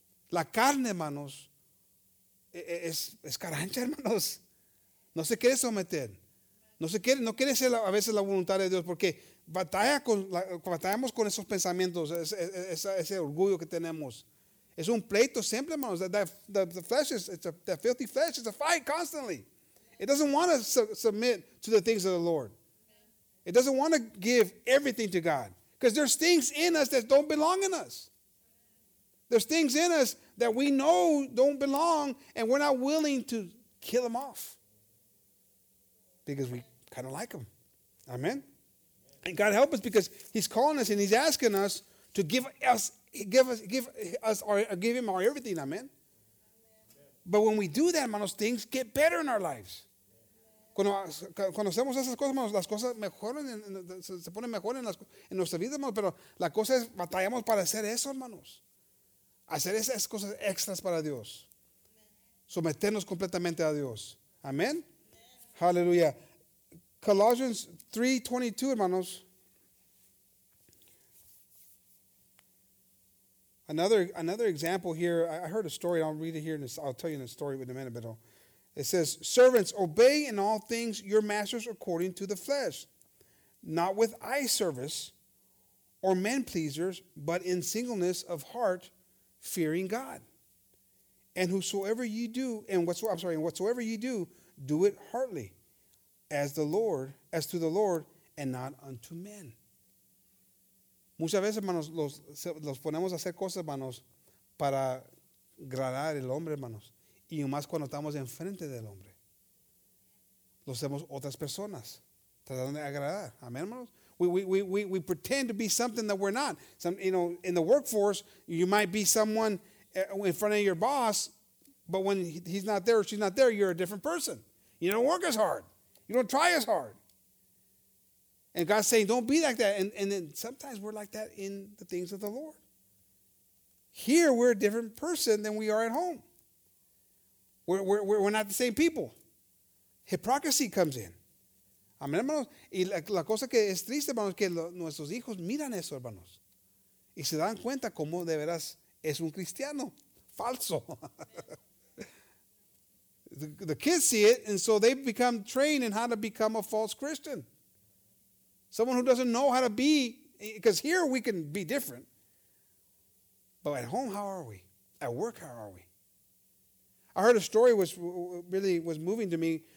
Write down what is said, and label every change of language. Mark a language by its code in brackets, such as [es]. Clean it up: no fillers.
[es] La carne, hermanos, es carancha, hermanos. No se quiere someter. No quiere ser a veces la voluntad de Dios, porque batallamos con esos pensamientos, ese orgullo que tenemos. Es un pleito siempre, hermanos. [en] The flesh is, it's a, the filthy flesh, it's a fight constantly. It doesn't want to submit to the things of the Lord. It doesn't want to give everything to God. Because there's things in us that don't belong in us. There's things in us that we know don't belong, and we're not willing to kill them off. Because we kind of like them. Amen? And God help us, because he's calling us and he's asking us to give him our everything. Amen? But when we do that, manos, things get better in our lives. [es] Cuando hacemos esas cosas, manos, las cosas mejoran, se ponen mejor en nuestra vida, manos, pero la cosa es, batallamos para hacer eso, hermanos. Hacer esas cosas extras para Dios. Someternos completamente a Dios. Amén. Aleluya. [en] Colossians 3:22, hermanos. Another example here. I heard a story. I'll read it here. I'll tell you the story in a minute, but it says, servants, obey in all things your masters according to the flesh, not with eye service or men pleasers, but in singleness of heart, fearing God. And whosoever you do, whatsoever you do, do it heartily, as to the Lord, and not unto men. [es] Muchas veces, hermanos, los ponemos a hacer cosas, hermanos, para agradar al hombre, hermanos. Y más cuando estamos enfrente del hombre. Lo hacemos otras personas, tratando de agradar. Amén, hermanos. [en] We pretend to be something that we're not. In the workforce, you might be someone in front of your boss, but when he's not there or she's not there, you're a different person. You don't work as hard. You don't try as hard. And God's saying, don't be like that. And then sometimes we're like that in the things of the Lord. Here, we're a different person than we are at home. We're not the same people. Hypocrisy comes in. [es] Amén, hermanos. Y la cosa que es triste, hermanos, que nuestros hijos miran eso, hermanos. Y se dan cuenta cómo de veras es un cristiano falso. [en] The kids see it, and so they become trained in how to become a false Christian. Someone who doesn't know how to be, because here we can be different. But at home, how are we? At work, how are we? I heard a story which really was moving to me.